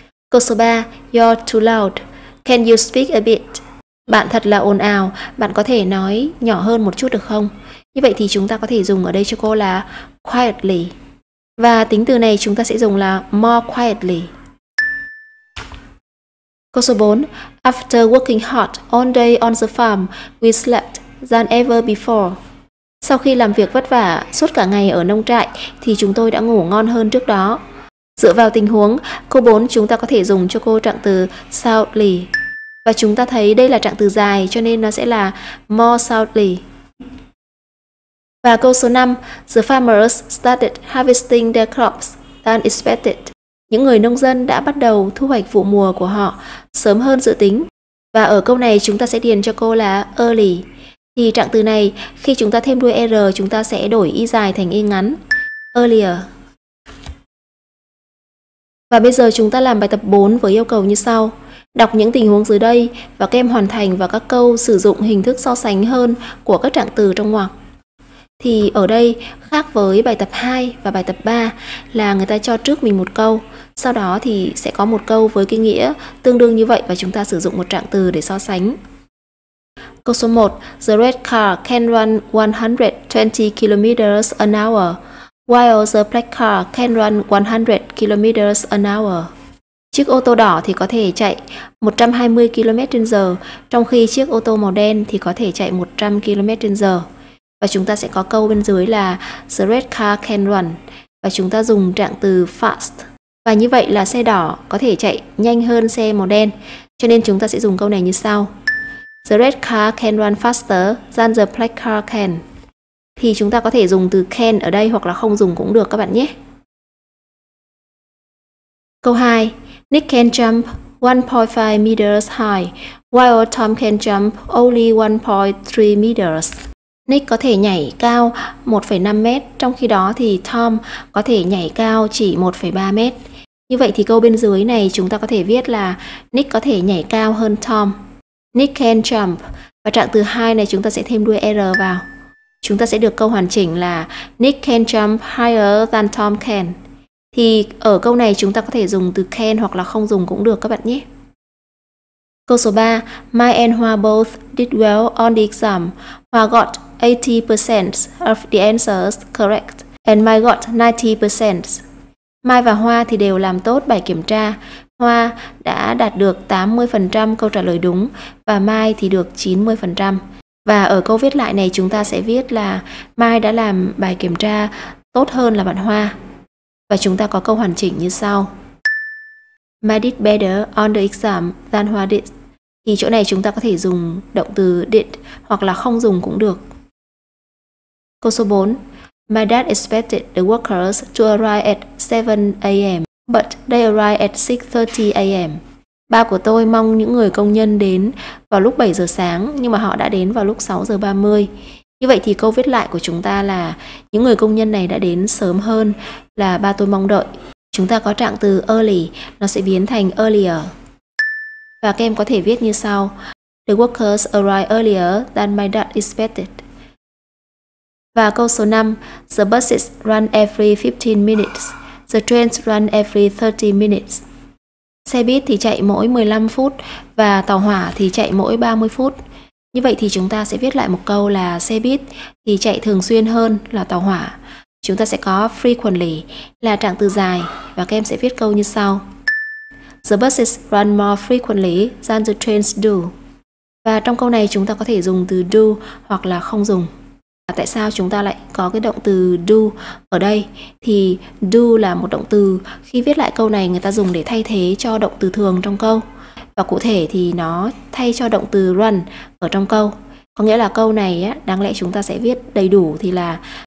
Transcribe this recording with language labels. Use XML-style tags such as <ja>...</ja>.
<vi>Câu số 3.</vi> <en>You're too loud. Can you speak a bit?</en> <vi>Bạn thật là ồn ào. Bạn có thể nói nhỏ hơn một chút được không? Như vậy thì chúng ta có thể dùng ở đây cho cô là quietly. Và tính từ này chúng ta sẽ dùng là more quietly. Câu số 4.</vi> <en>After working hard all day on the farm, we slept than ever before.</en> <vi>Sau khi làm việc vất vả suốt cả ngày ở nông trại thì chúng tôi đã ngủ ngon hơn trước đó. Dựa vào tình huống, câu 4 chúng ta có thể dùng cho cô trạng từ soundly. Và chúng ta thấy đây là trạng từ dài cho nên nó sẽ là more soundly. Và câu số 5,</vi> <en>the farmers started harvesting their crops than expected.</en> <vi>Những người nông dân đã bắt đầu thu hoạch vụ mùa của họ sớm hơn dự tính. Và ở câu này chúng ta sẽ điền cho cô là early. Thì trạng từ này khi chúng ta thêm đuôi R chúng ta sẽ đổi y dài thành y ngắn, earlier. Và bây giờ chúng ta làm bài tập 4 với yêu cầu như sau. Đọc những tình huống dưới đây và các em hoàn thành vào các câu sử dụng hình thức so sánh hơn của các trạng từ trong ngoặc. Thì ở đây khác với bài tập 2 và bài tập 3 là người ta cho trước mình một câu, sau đó thì sẽ có một câu với cái nghĩa tương đương như vậy và chúng ta sử dụng một trạng từ để so sánh. Câu số 1.</vi> <en>The red car can run 120 km an hour, while the black car can run 100 km an hour.</en> <vi>Chiếc ô tô đỏ thì có thể chạy 120 km/h, trong khi chiếc ô tô màu đen thì có thể chạy 100 km/h. Và chúng ta sẽ có câu bên dưới là</vi> <en>the red car can run.</en> <vi>Và chúng ta dùng trạng từ fast. Và như vậy là xe đỏ có thể chạy nhanh hơn xe màu đen. Cho nên chúng ta sẽ dùng câu này như sau.</vi> <en>The red car can run faster than the black car can.</en> <vi>Thì chúng ta có thể dùng từ can ở đây hoặc là không dùng cũng được các bạn nhé. Câu 2.</vi> <en>Nick can jump 1.5 meters high, while Tom can jump only 1.3 meters.</en> <vi>Nick có thể nhảy cao 1,5 mét, trong khi đó thì Tom có thể nhảy cao chỉ 1,3 mét. Như vậy thì câu bên dưới này chúng ta có thể viết là Nick có thể nhảy cao hơn Tom.</vi> <en>Nick can jump.</en> <vi>Và trạng từ 2 này chúng ta sẽ thêm đuôi R vào. Chúng ta sẽ được câu hoàn chỉnh là</vi> <en>Nick can jump higher than Tom can.</en> <vi>Thì ở câu này chúng ta có thể dùng từ can hoặc là không dùng cũng được các bạn nhé. Câu số 3.</vi> <en>Mai and Hoa both did well on the exam. Hoa got 80% of the answers correct and Mai got 90%.</en> <vi>Mai và Hoa thì đều làm tốt bài kiểm tra. Hoa đã đạt được 80% câu trả lời đúng và Mai thì được 90%. Và ở câu viết lại này chúng ta sẽ viết là Mai đã làm bài kiểm tra tốt hơn là bạn Hoa. Và chúng ta có câu hoàn chỉnh như sau.</vi> <en>Mai did better on the exam than Hoa did.</en> <vi>Thì chỗ này chúng ta có thể dùng động từ did hoặc là không dùng cũng được. Câu số 4.</vi> <en>My dad expected the workers to arrive at 7 a.m. but they arrive at 6:30 a.m.</en> <vi>Ba của tôi mong những người công nhân đến vào lúc 7 giờ sáng nhưng mà họ đã đến vào lúc 6:30. Như vậy thì câu viết lại của chúng ta là những người công nhân này đã đến sớm hơn là ba tôi mong đợi. Chúng ta có trạng từ early, nó sẽ biến thành earlier. Và các em có thể viết như sau.</vi> <en>The workers arrive earlier than my dad expected.</en> <vi>Và câu số 5.</vi> <en>The buses run every 15 minutes. The trains run every 30 minutes.</en> <vi>Xe buýt thì chạy mỗi 15 phút và tàu hỏa thì chạy mỗi 30 phút. Như vậy thì chúng ta sẽ viết lại một câu là xe buýt thì chạy thường xuyên hơn là tàu hỏa. Chúng ta sẽ có frequently là trạng từ dài và các em sẽ viết câu như sau.</vi> <en>The buses run more frequently than the trains do.</en> <vi>Và trong câu này chúng ta có thể dùng từ do hoặc là không dùng. Tại sao chúng ta lại có cái động từ do ở đây? Thì do là một động từ khi viết lại câu này người ta dùng để thay thế cho động từ thường trong câu. Và cụ thể thì nó thay cho động từ run ở trong câu. Có nghĩa là câu này á, đáng lẽ chúng ta sẽ viết đầy đủ thì là</vi>